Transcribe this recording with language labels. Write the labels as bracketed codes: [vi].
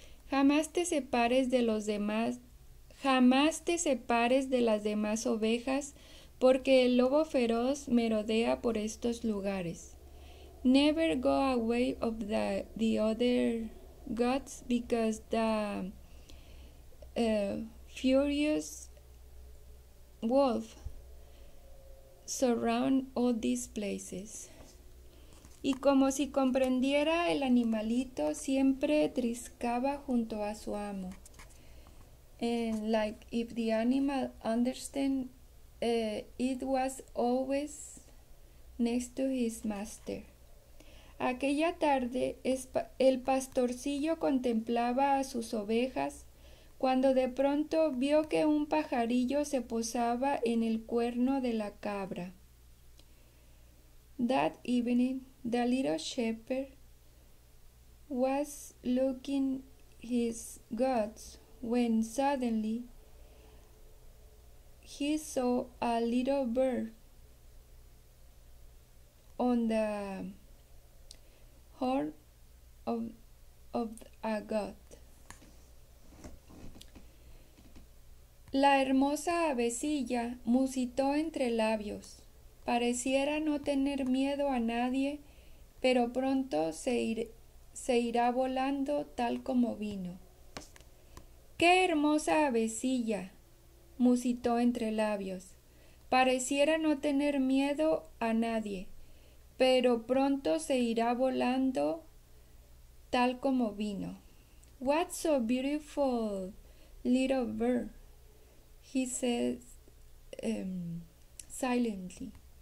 [es] jamás te separes de las demás ovejas, porque el lobo feroz merodea por estos lugares. [en] Never go away of the other goats, because the furious wolf surround all these places. [es] Y como si comprendiera, el animalito siempre triscaba junto a su amo. [en] And like if the animal understand, it was always next to his master. [es] Aquella tarde, el pastorcillo contemplaba a sus ovejas cuando de pronto vio que un pajarillo se posaba en el cuerno de la cabra. [en] That evening, the little shepherd was looking his goats when suddenly he saw a little bird on the horn of a goat. [es] La hermosa avecilla musitó entre labios. Pareciera no tener miedo a nadie, pero pronto se irá volando tal como vino. ¡Qué hermosa avecilla!, musitó entre labios. Pareciera no tener miedo a nadie, pero pronto se irá volando tal como vino. [en] What so beautiful little bird, he said silently.